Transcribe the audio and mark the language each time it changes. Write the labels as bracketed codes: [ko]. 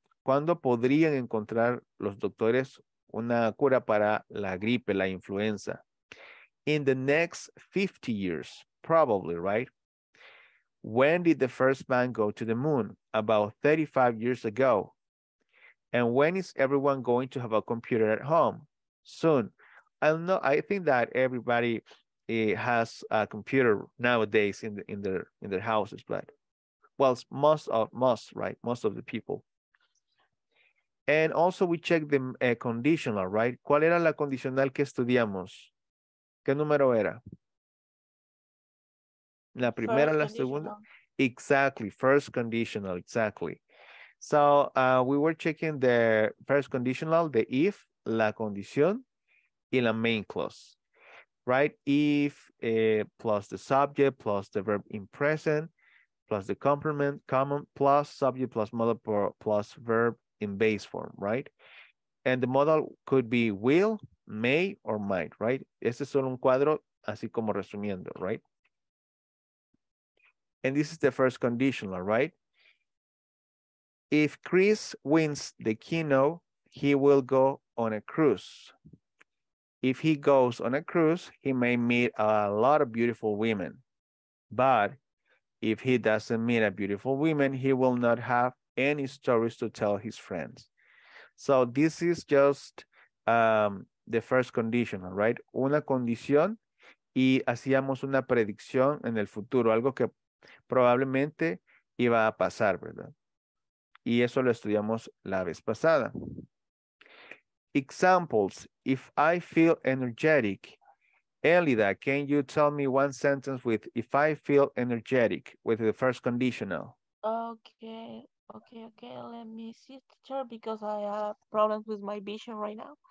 [es] ¿Cuándo podrían encontrar los doctores una cura para la gripe, la influenza? [en] In the next 50 years, probably, right? When did the first man go to the moon? About 35 years ago. And when is everyone going to have a computer at home? Soon. I don't know. I think that everybody has a computer nowadays in the, in their houses, but well, most of the people. And also we check the conditional, right? [es] ¿Cuál era la condicional que estudiamos? ¿Qué número era? La primera, [en] First [es] la segunda. [en] conditional. Exactly, first conditional, exactly. So we were checking the first conditional, the if, [es] la condición, y la [en] main clause, right? If plus the subject, plus the verb in present, plus the complement, common, plus subject, plus modal, plus verb in base form, right? And the model could be will, may, or might, right? [es] Este es solo un cuadro, así como resumiendo, right? [en] And this is the first conditional, right? If Chris wins the keynote, he will go on a cruise. If he goes on a cruise, he may meet a lot of beautiful women. But if he doesn't meet a beautiful woman, he will not have any stories to tell his friends. So this is just the first conditional, right? [es] Una condición y hacíamos una predicción en el futuro, algo que probablemente iba a pasar, ¿verdad? Y eso lo estudiamos la vez pasada. [en] Examples, if I feel energetic, Elida, can you tell me one sentence with if I feel energetic with the first conditional? Okay, let me see, teacher, because I have problems with my vision right now.